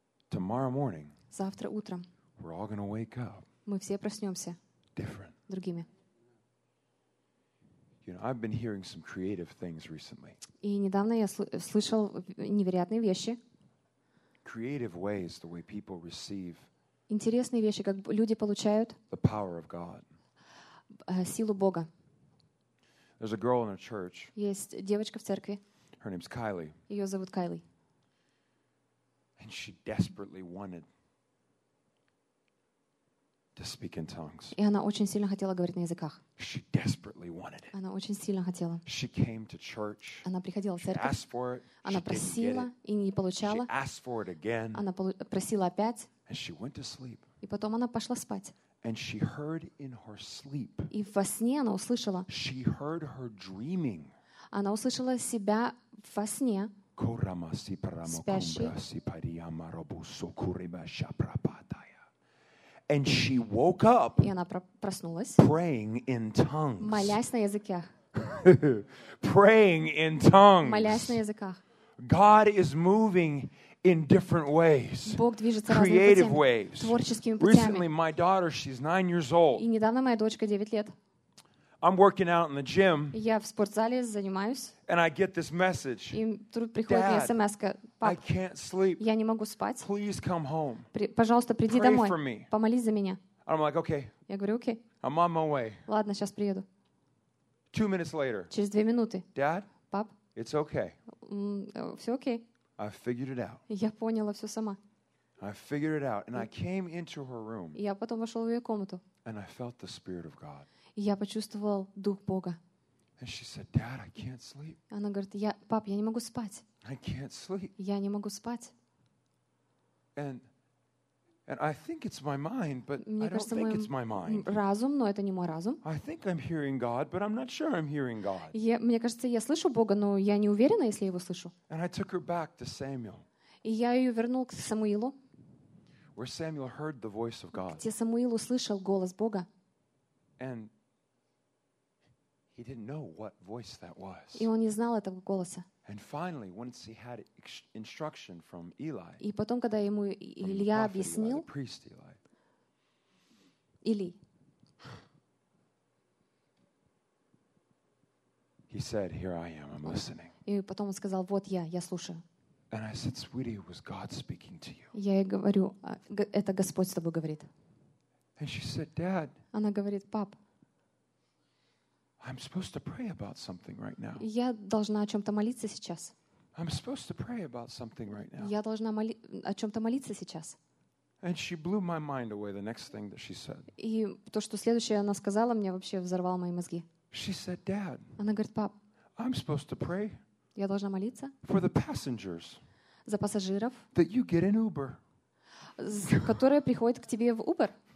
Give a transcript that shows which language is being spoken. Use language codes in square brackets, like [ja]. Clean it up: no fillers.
[en] Tomorrow morning, [ru] завтра утром, [en] we're all going to wake up [ru] мы все проснемся [en] different. [ru] Другими. [en] You know, I've been hearing some creative things recently. [ru] И недавно я слышал невероятные вещи. [en] Creative ways, the way people receive. [ru] Интересные вещи, как люди получают. [en] The power of God. [ru] Силу Бога. [en] There's a girl in a church. [ru] Есть девочка в церкви. [en] Her name's Kylie. [ru] Ее зовут Кайли. [en] And she desperately wanted to speak in tongues. [ru] И она очень сильно хотела говорить на языках. [en] She desperately wanted it. [ru] Она очень сильно хотела. [en] She came to church. [ru] Она приходила в церковь. [en] She asked for it. [ru] Она просила и не получала. [en] She asked for it again. [ru] Она просила опять. [en] And she went to sleep. [ru] И потом она пошла спать. [en] And she heard in her sleep. [ru] И во сне она услышала. [en] She heard her dreaming. [ru] Она услышала себя во сне. Курама сипарама кумбра сипарияма робу сокурима шапрапата. [en] And she woke up praying in tongues. [ru] Молясь на языке. [en] Praying in tongues. [ru] Молясь на языках. [en] God is moving in different ways. [ru] Бог движется [en] creative [ru] разными путями, [en] ways. [ru] Творческими путями. [en] Recently, my daughter, she's 9 years old. [ru] И недавно моя дочка 9 лет. [en] I'm working out in the gym. [ru] Я в спортзале занимаюсь. [en] And I get this message. [ru] И тут приходит мне смска. [en] I can't sleep. [ru] Я не могу спать. [en] Please come home. [ru] Пожалуйста, приди домой. Помолись за меня. [en] And I'm like, okay. [ru] Я говорю, окей. [en] I'm on my way. [ru] Ладно, сейчас приеду. [en] 2 minutes later. [ru] Через 2 минуты. [en] Dad? [ru] Пап? [en] It's okay. [ru] Все окей. [en] I figured it out. [ru] Я поняла все сама. [en] I figured it out and I came into her room. [ru] Я потом вошел в ее комнату. [en] And I felt the spirit of God. [ru] И я почувствовал Дух Бога. [en] And she said, Dad, I can't sleep. [ru] Она говорит, я, пап, я не могу спать. [en] I can't sleep. [ru] Я не могу спать. [en] And I think it's my mind, but I don't think it's my mind. [ru] Разум, но это не мой разум. [en] I think I'm hearing God, but I'm not sure I'm hearing God. [ru] Мне кажется, я слышу Бога, но я не уверена, если я его слышу. [en] And I took her back to Samuel. [ru] И я ее вернул к Самуилу. [en] Where Samuel heard the voice of God. [ru] Где Самуил услышал голос Бога. [en] And he didn't know what voice that was. [ru] И он не знал этого голоса. [en] And finally, once he had instruction from Eli. [ru] И потом, когда ему Илья объяснил. [en] The priest Eli. [ru] Или. [en] He said, "Here I am. I'm listening." [ru] И потом он сказал: "Вот я, я слушаю." [en] And I said, "Sweetie, was God speaking to you?" [ru] Я ей говорю: "Это Господь с тобой говорит." [en] And she said, "Dad." [ru] Она говорит: "Пап." [en] I'm supposed to pray about something right now. [ru] Я должна о чём-то молиться сейчас. [en] I'm supposed to pray about something right now. [ru] Я должна о чём-то молиться сейчас. [en] And she blew my mind away the next thing that she said. [ru] И то, что следующее она сказала, мне вообще взорвало мои мозги. [en] She said, "Dad." [ru] Она говорит: "Пап." [en] I'm supposed to pray. [ru] Я должна молиться. [en] For the passengers. [ru] За пассажиров. [en] That you get an Uber. [ru] Которые приходят к тебе в Uber.